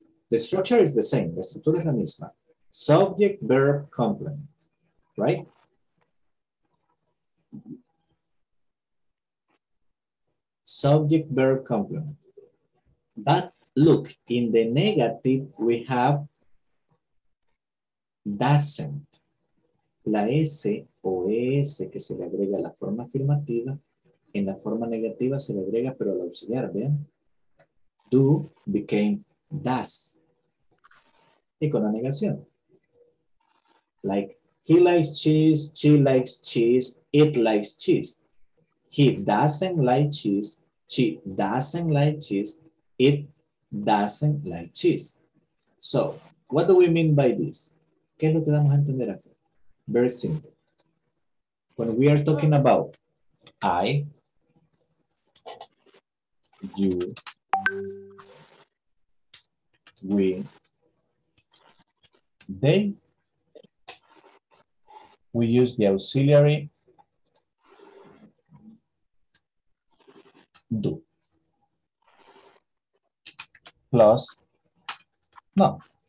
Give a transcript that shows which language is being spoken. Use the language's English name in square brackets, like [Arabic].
[English] The structure is the same, [Spanish] la estructura es la misma. [English] Subject, verb, complement, right? Subject, verb, complement. But look, in the negative, we have doesn't. [Spanish] La S o S que se le agrega a la forma afirmativa, en la forma negativa se le agrega, pero al auxiliar, ¿vean? [English] Do became does. [Spanish] Y con la negación. [English] Like, he likes cheese, she likes cheese, it likes cheese. He doesn't like cheese, she doesn't like cheese, it doesn't like cheese. So, what do we mean by this? [Spanish] ¿Qué es lo que vamos a entender aquí? [English] Very simple. When we are talking about I, you, we, they, we use the auxiliary do plus not.